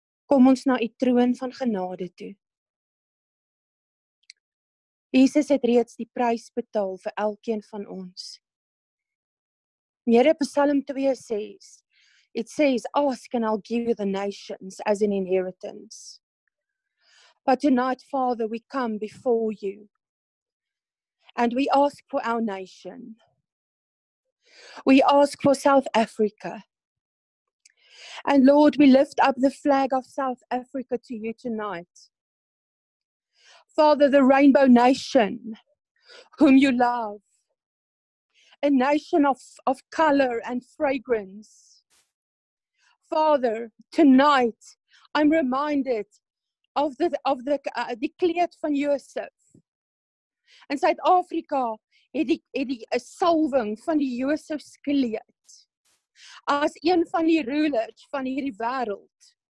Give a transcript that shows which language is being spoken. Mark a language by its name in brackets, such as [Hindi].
[Afrikaans] Kom ons na U troon van genade toe. Jesus het reeds die prys betaal vir elkeen van ons. Here, Psalm 2 sê, [English] it says, ask and I'll give the nations as an inheritance. But tonight, Father, we come before You and we ask for our nation. We ask for South Africa. And Lord, we lift up the flag of South Africa to You tonight. Father, the Rainbow Nation, whom You love, a nation of color and fragrance. Father, tonight I'm reminded of the [Afrikaans] kleed van Josef. In Suid-Afrika het die salwing van die Josef kleed as een van die rulers van hierdie wêreld.